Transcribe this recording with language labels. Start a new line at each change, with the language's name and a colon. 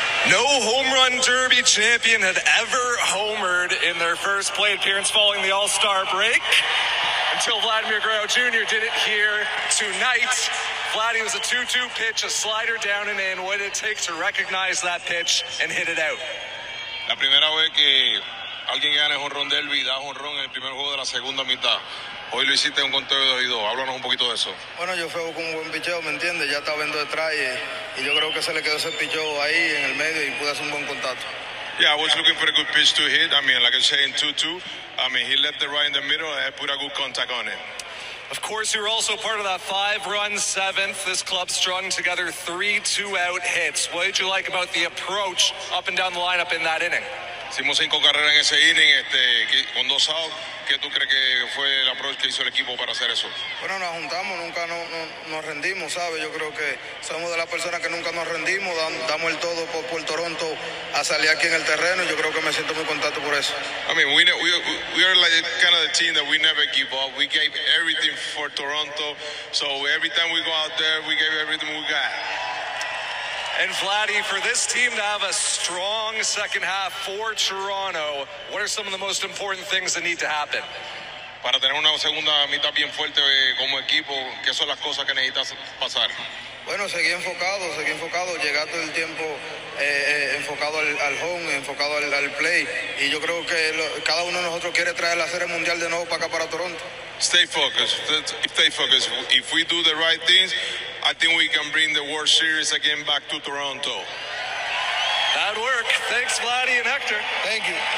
English: No home run derby champion had ever homered in their first play appearance following the All-Star break until Vladimir Guerrero Jr. did it here tonight. Vladdy was a 2-2 pitch, a slider down and in. What did it take to recognize that pitch and hit it out?
Spanish: La primera vez que alguien gana el jonrón derby, da jonrón en el primer juego de la segunda mitad. Hoy lo hiciste en un conteo de 2-2. Háblanos un poquito de eso. Bueno, yo fui a buscar un buen picheo, ¿me entiendes? Ya estaba viendo detrás y yo creo que se le quedó ese picheo ahí en el medio y pude hacer un buen contacto.
English: Yeah, I was looking for a good pitch to hit. I mean, like I said, in 2-2. I mean, he left the right in the middle and put a good contact on it. Of course, you're also part of that 5-run 7th. This club strung together 3 2-out hits. What did you like about the approach up and down the lineup in that inning?
Spanish: Hicimos 5 carreras en ese inning, con 2 outs. ¿Qué tú crees que fue el approach que hizo el equipo para hacer eso? Bueno, nos juntamos, nunca nos rendimos, ¿sabes? Yo creo que somos de las personas que nunca nos rendimos, damos el todo por Toronto a salir aquí en el terreno. Yo creo que me siento muy contento por eso.
English: I mean, we are like kind of the team that we never give up. We gave everything for Toronto, so every time we go out there, we gave everything we got. And Vladdy, for this team to have a strong second half for Toronto, what are some of the most important things that need to happen?
Spanish: Para tener una segunda mitad bien fuerte como equipo, ¿qué son las cosas que necesitas pasar? Bueno, seguir enfocado, llegar todo el tiempo enfocado al home, enfocado al play. Y yo creo que cada uno de nosotros quiere traer la Serie Mundial de nuevo para acá, para Toronto.
English: Stay focused. If we do the right things, I think we can bring the World Series again back to Toronto. That work. Thanks, Vladdy and Hector. Thank you.